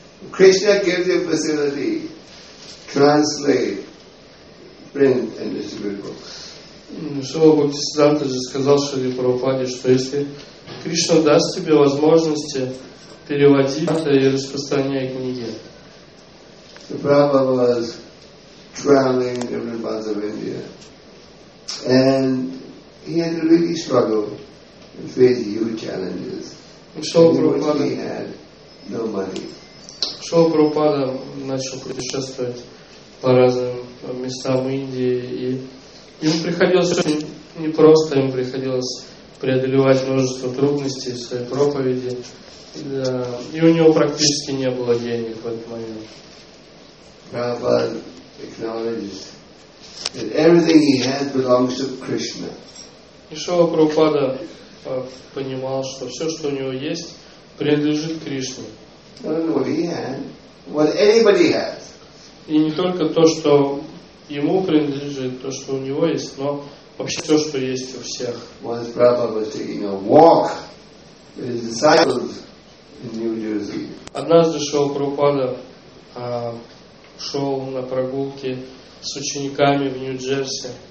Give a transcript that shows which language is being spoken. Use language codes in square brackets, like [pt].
[en] Krishna gave the facility translate, print and distribute books. [ru] Шрила Бхактисиддханта же сказал Шриле Прабхупаде, что если Кришна даст тебе возможности переводить и распространять книги. [en] The Prabhupada was traveling different parts of India, and he had to really struggle and face huge challenges. Prabhupada, he had no money. [ru] Шрила Прабхупада начал путешествовать по разным местам Индии, и ему приходилось очень непросто, ему приходилось преодолевать множество трудностей в своей проповеди, и у него практически не было денег в этот момент. [en] Prabhupada acknowledges that everything he has belongs to Krishna. [ru] И Шрила Прабхупада понимал, что все, что у него есть, принадлежит Кришне. [en] Not only what he had, what anybody has. [ru] И не только то, что ему принадлежит, то, что у него есть, но вообще то, что есть у всех. [en] Once Prabhupada was taking a walk with his disciples in New Jersey. [ru] Однажды Шрила Прабхупада шел на прогулке с учениками в Нью-Джерси.